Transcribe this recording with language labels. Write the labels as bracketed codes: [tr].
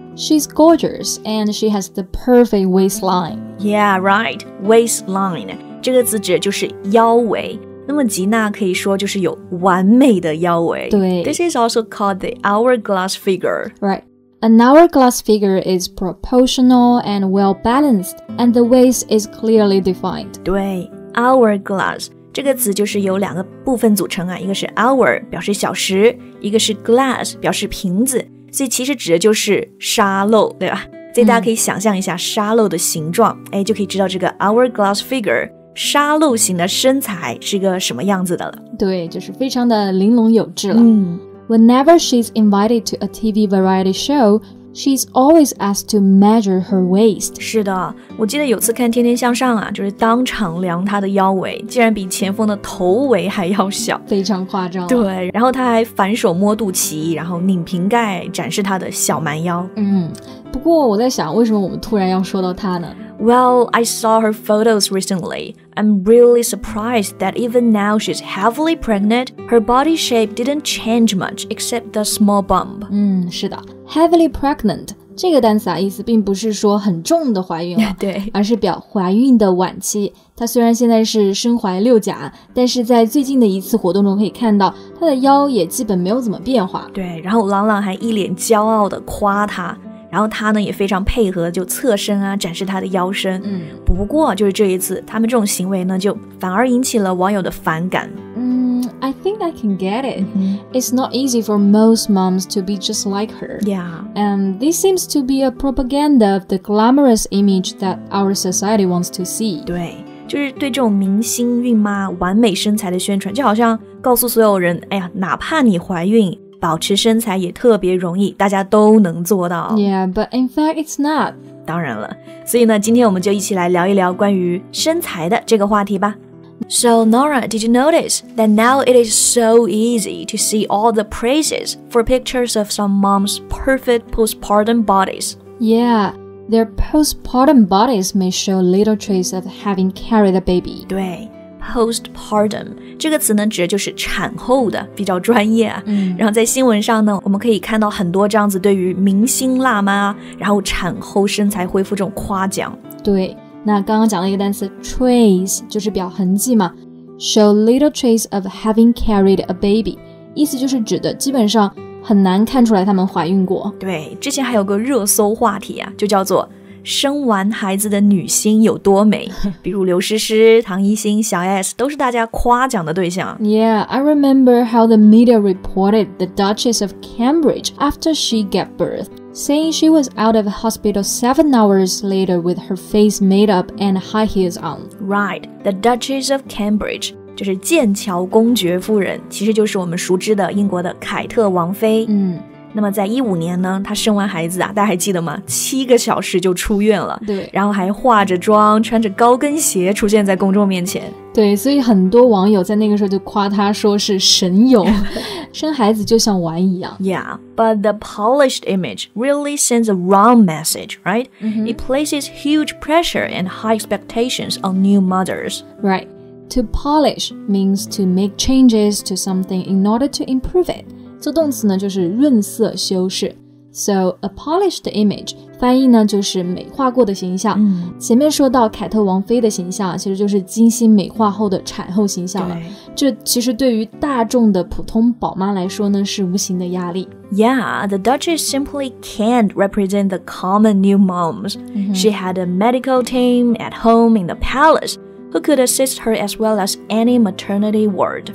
[en] She's gorgeous, and she has the perfect waistline. Yeah, right. [zh] Waistline. 这个字指就是腰围。那么吉娜可以说就是有完美的腰围。对。 [en] This is also called the hourglass figure. Right. An hourglass figure is proportional and well-balanced, and the waist is clearly defined. [zh] 对。Hourglass. 这个字就是由两个部分组成啊。一个是 hour, 表示小时。一个是 glass, 表示瓶子。所以其实指的就是沙漏，对吧？所以大家可以想象一下沙漏的形状，哎，就可以知道这个 hourglass figure 沙漏型的身材是一个什么样子的了。对，就是非常的玲珑有致了。 [en] Whenever she's invited to a TV variety show, she's always asked to measure her waist. [zh] 是的，我记得有次看《天天向上》啊，就是当场量她的腰围，竟然比前锋的头围还要小，非常夸张。对，然后她还反手摸肚脐，然后拧瓶盖展示她的小蛮腰。不过我在想，为什么我们突然要说到她呢？ [en] Well, I saw her photos recently. I'm really surprised that even now she's heavily pregnant, her body shape didn't change much except the small bump. [zh] 是的。Heavily pregnant 这个单词啊，意思并不是说很重的怀孕了，对，而是表怀孕的晚期。她虽然现在是身怀六甲，但是在最近的一次活动中可以看到，她的腰也基本没有怎么变化。对，然后朗朗还一脸骄傲地夸她，然后她呢也非常配合，就侧身啊展示她的腰身。不过就是这一次，他们这种行为呢，就反而引起了网友的反感。 [en] I think I can get it. It's not easy for most moms to be just like her. Yeah. And this seems to be a propaganda of the glamorous image that our society wants to see. [zh] 对，就是对这种明星孕妈完美身材的宣传，就好像告诉所有人，哎呀，哪怕你怀孕，保持身材也特别容易，大家都能做到。 [en] Yeah, but in fact, it's not. [zh] 当然了，所以呢，今天我们就一起来聊一聊关于身材的这个话题吧。 [en] So, Nora, did you notice that now it is so easy to see all the praises for pictures of some mom's perfect postpartum bodies? Yeah, their postpartum bodies may show little trace of having carried a baby. [zh] 对 postpartum 这个词呢指的就是产后的，比较专业。然后在新闻上呢，我们可以看到很多这样子对于明星辣妈然后产后身材恢复这种夸奖。对，那刚刚讲了一个单词 trace 就是表痕迹嘛， [en] show little trace of having carried a baby， [zh] 意思就是指的基本上很难看出来他们怀孕过。对，之前还有个热搜话题啊，就叫做生完孩子的女星有多美，比如刘诗诗、唐艺昕、小 S 都是大家夸奖的对象。 [en] Yeah, I remember how the media reported the Duchess of Cambridge after she gave birthSaying she was out of hospital 7 hours later with her face made up and high heels on. [zh] Right, the Duchess of Cambridge, 就是剑桥公爵夫人，其实就是我们熟知的英国的凯特王妃。那么在2015年呢，她生完孩子啊，大家还记得吗？ 7个小时就出院了。对，然后还化着妆，穿着高跟鞋出现在公众面前。对，所以很多网友在那个时候就夸她说是神勇，生孩子就像玩一样。 [en] Yeah, but the polished image really sends a wrong message, right? It places huge pressure and high expectations on new mothers. Right. To polish means to make changes to something in order to improve it. [zh] 做动词呢就是润色修饰。 [en] So, a polished image [zh] 翻译呢就是美化过的形象。前面说到凯特王妃的形象，其实就是精心美化后的产后形象了。这其实对于大众的普通宝妈来说呢是无形的压力。 [en] Yeah, the Duchess simply can't represent the common new moms. She had a medical team at home in the palace who could assist her as well as any maternity ward.